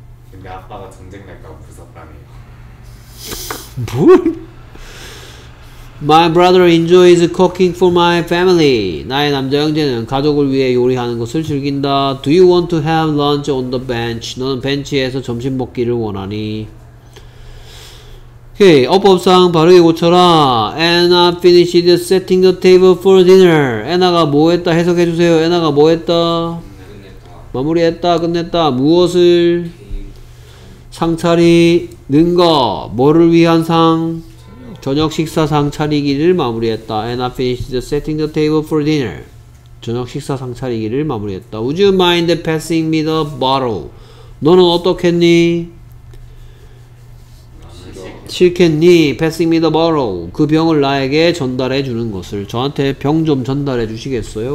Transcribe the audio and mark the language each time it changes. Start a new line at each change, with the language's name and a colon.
Korean: 근데 아빠가 전쟁 날까봐 무섭다네요. 뭘?
English: My brother enjoys cooking for my family.
Korean: 나의 남자 형제는 가족을 위해 요리하는 것을 즐긴다.
English: Do you want to have lunch on the bench?
Korean: 너는 벤치에서 점심 먹기를 원하니? 오케이, 어법상 바르게 고쳐라.
English: Anna finished setting the table for dinner.
Korean: 애나가 뭐 했다? 해석해주세요. 애나가 뭐 했다? 마무리했다, 끝냈다, 무엇을? 상 차리는 거, 뭐를 위한 상? 저녁 식사 상 차리기를 마무리했다.
English: And I finished setting the table for dinner.
Korean: 저녁 식사 상 차리기를 마무리했다.
English: Would you mind passing me the bottle?
Korean: 너는 어떻겠니? 싫겠니?
English: Passing me the bottle.
Korean: 그 병을 나에게 전달해 주는 것을. 저한테 병 좀 전달해 주시겠어요?